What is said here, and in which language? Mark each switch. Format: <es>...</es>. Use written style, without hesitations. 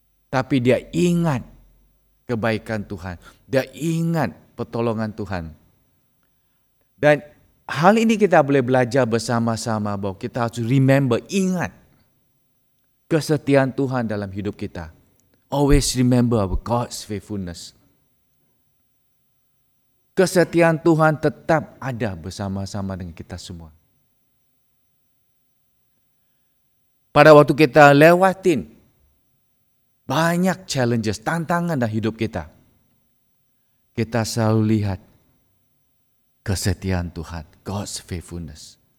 <id>Tapi dia ingat kebaikan Tuhan. Dia ingat pertolongan Tuhan. Dan hal ini kita boleh belajar bersama-sama bahwa kita harus remember, ingat kesetiaan Tuhan dalam hidup kita.</id> <en>Always remember our God's faithfulness.</en> <id>Kesetiaan Tuhan tetap ada bersama-sama dengan kita semua. Pada waktu kita lewatin banyak challenges, tantangan dalam hidup kita, kita selalu lihat kesetiaan Tuhan,</id> <en>God's faithfulness.</en>